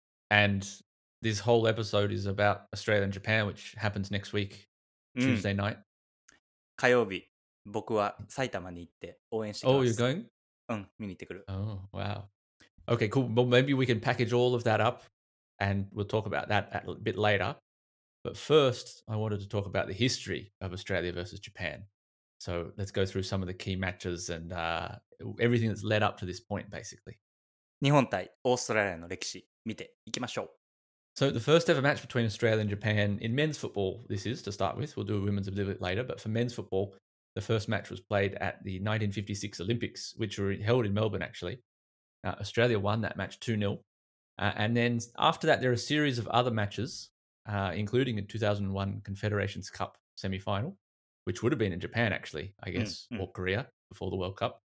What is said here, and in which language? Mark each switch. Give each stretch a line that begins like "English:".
English: And this whole episode is about Australia and Japan, which happens next week, Tuesday night.
Japanese: 火曜日、僕は埼玉に行って応援してきます。
English: Oh, you're going?
Japanese: うん、見に行ってくる。
English: Oh, wow. Okay, cool. Well, maybe we can package all of that up, and we'll talk about that a bit later. But first, I wanted to talk about the history of Australia versus Japan. So let's go through some of the key matches and everything that's led up to this point, basically.
Japanese: 日本対オーストラリアの歴史見ていきましょう。
English: So the first ever match between Australia and Japan in men's football, this is, to start with. We'll do women's a little bit later, but for men's football, the first match was played at the 1956 Olympics, which were held in Melbourne, actually. Australia won that match 2-0. And then after that, there are a series of other matches, including a 2001 Confederations Cup semi-final, which would have been in Japan, actually, I guess, or Korea before the World Cup.